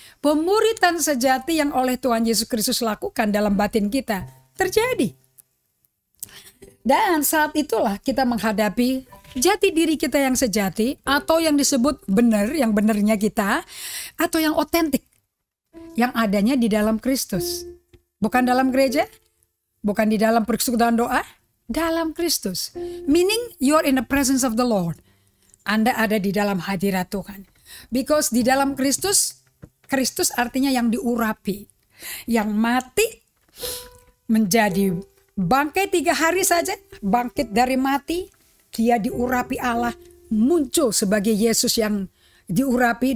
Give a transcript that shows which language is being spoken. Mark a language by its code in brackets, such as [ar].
[id] Pemuritan sejati yang oleh Tuhan Yesus Kristus lakukan dalam batin kita terjadi. Dan saat itulah kita menghadapi jati diri kita yang sejati atau yang disebut benar, yang benarnya kita atau yang otentik yang adanya di dalam Kristus. Bukan dalam gereja, bukan di dalam persekutuan doa, dalam Kristus. [en] Meaning you are in the presence of the Lord. [id] Anda ada di dalam hadirat Tuhan. Because di dalam Kristus, Kristus artinya yang diurapi, yang mati menjadi bangkit 3 hari saja, bangkit dari mati. Dia diurapi Allah, muncul sebagai Yesus yang diurapi.